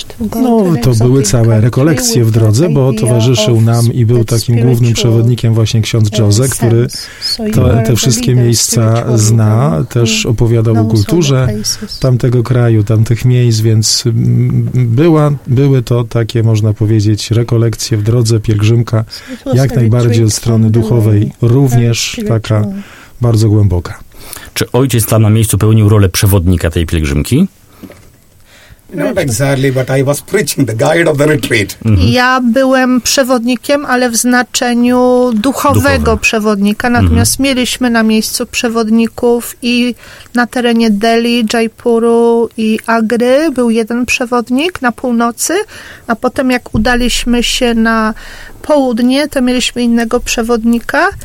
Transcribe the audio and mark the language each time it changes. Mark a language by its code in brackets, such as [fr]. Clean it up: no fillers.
[pl] No, to były całe rekolekcje w drodze, bo towarzyszył nam i był takim głównym przewodnikiem właśnie ksiądz Jose, który te wszystkie miejsca zna, też opowiadał o kulturze tamtego kraju, tamtych miejsc, więc były to takie, można powiedzieć, rekolekcje w drodze, pielgrzymka, jak najbardziej od strony duchowej, również taka bardzo głęboka. Czy ojciec tam na miejscu pełnił rolę przewodnika tej pielgrzymki? [en] Not exactly, but I was preaching, the guide of the retreat. [pl] Ja byłem przewodnikiem, ale w znaczeniu duchowego przewodnika. Natomiast mieliśmy na miejscu przewodników i na terenie Delhi, Jaipuru i Agry był jeden przewodnik na północy, a potem jak udaliśmy się na południe, to mieliśmy innego przewodnika.